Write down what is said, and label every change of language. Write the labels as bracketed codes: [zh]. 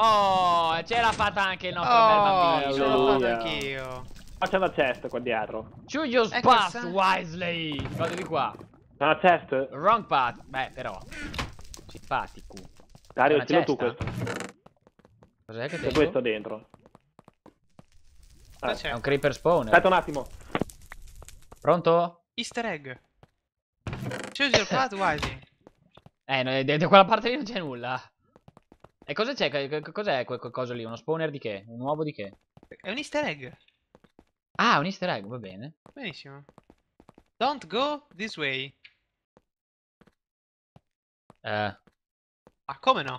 [it] Oh, ce l'ha fatta anche il nostro bel bambino! Ce l'ho fatta anch'io! Faccia una chest qua dietro! [en] Choose your path wisely! [it] Vado di qua! C'è una chest? [en] Wrong path! [it] Beh, però... Simpatico! Dario, tiro tu questo! Cos'è che c'è questo dentro? È un creeper spawner! Aspetta un attimo! Pronto? [en] Easter egg! Choose your path wisely. [it] Da quella parte lì non c'è nulla. E cosa c'è? Cos'è quel coso lì? Uno spawner di che? Un uovo di che? È un easter egg. Ah, un easter egg, va bene. Benissimo. [en] Don't go this way. [it] Ma come no?